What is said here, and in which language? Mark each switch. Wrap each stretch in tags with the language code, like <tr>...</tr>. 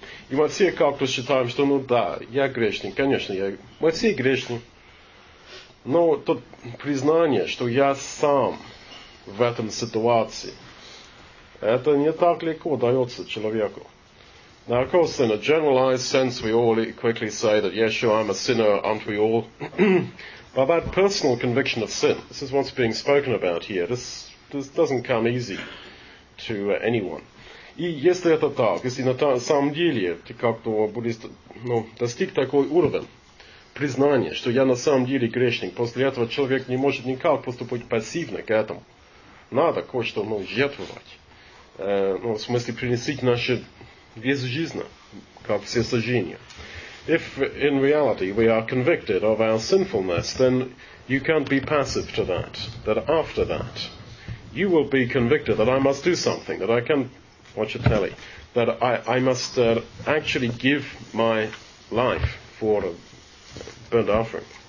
<ru>И мы все как-то считаем, что ну да, я грешник, конечно, мы все грешны. Но тут признание, что я сам в этом ситуации, это не так легко дается человеку.</ru> <en>Now, of course, in a generalized sense, we all quickly say that, yes, sure, I'm a sinner, aren't we all? But that personal conviction of sin, this is what's being spoken about here, this doesn't come easy to anyone.</en> <ru>И если это так, если на самом деле ты как-то достиг такой уровень признания, что я на самом деле грешник, после этого человек не может никак поступать пассивно к этому. Надо кое-что жертвовать. В смысле, принести наши... Весь жизнь, как всесожжение.</ru> <en>If in reality we are convicted of our sinfulness, then you can't be passive to that. That after that, you will be convicted that I must do something, that I can watch a telly, that I must actually give my life for a burnt offering.</en>